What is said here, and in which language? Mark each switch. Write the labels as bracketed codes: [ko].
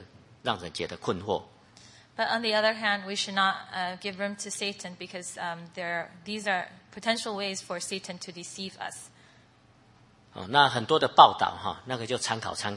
[zh] 有时候我们就是说也不要被魔鬼欺骗了哈，魔鬼可以用各种不同的方法哈来欺骗人哈，或者让人觉得困惑。 [en] But on the other hand, we should not give room to Satan because these are potential ways for Satan to deceive us. [zh] 哦，那很多的报道哈，那个就参考。